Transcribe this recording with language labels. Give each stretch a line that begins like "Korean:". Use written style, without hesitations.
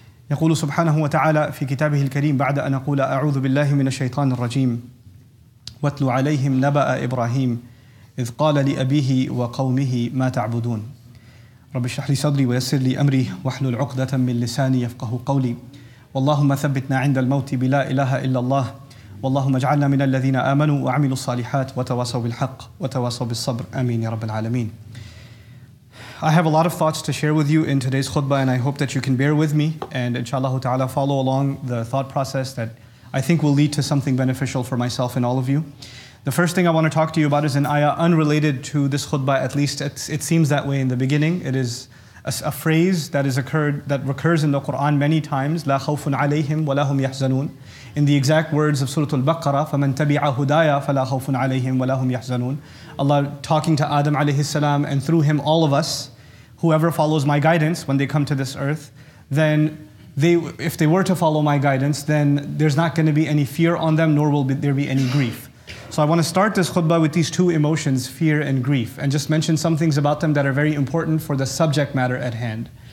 Arabic: يقول سبحانه وتعالى في كتابه الكريم بعد أن أقول أعوذ بالله من الشيطان الرجيم واتل عليهم نبأ إبراهيم إذ قال لأبيه وقومه ما تعبدون رب اشرح لي صدري ويسر لي أمري واحلل عقدة من لساني يفقه قولي واللهم ثبتنا عند الموت بلا إله إلا الله واللهم اجعلنا من الذين آمنوا وعملوا الصالحات وتواصوا بالحق وتواصوا بالصبر آمين يا رب العالمين.
English: I have a lot of thoughts to share with you in today's khutbah and I hope that you can bear with me and inshallah ta'ala follow along the thought process that I think will lead to something beneficial for myself and all of you. The first thing I want to talk to you about is an ayah unrelated to this khutbah, at least it seems that way in the beginning. It is a phrase that recurs in the Quran many times,
Arabic: لَا خَوْفٌ عَلَيْهِمْ وَلَا هُمْ يَحْزَنُونَ.
English: In the exact words of Surah Al-Baqarah,
Arabic: فَمَنْ تَبِعَ هُدَايَ فَلَا خَوْفٌ عَلَيْهِمْ وَلَا هُمْ يَحْزَنُونَ.
English: Allah talking to Adam alayhi salam, and through him all of us, whoever follows my guidance when they come to this earth, then if they were to follow my guidance, then there's not going to be any fear on them, nor will there be any grief. So I want to start this khutbah with these two emotions, fear and grief, and just mention some things about them that are very important for the subject matter at hand.